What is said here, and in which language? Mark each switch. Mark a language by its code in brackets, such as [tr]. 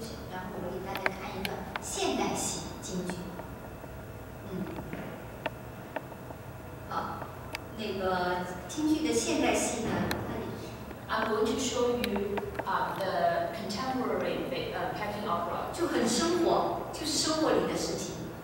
[zh] 然后我给大家看一个现代戏京剧。好，那个京剧的现代戏呢？ [en] I'm going to show you the contemporary Peking opera. [zh] 就很生活，就是生活里的事情。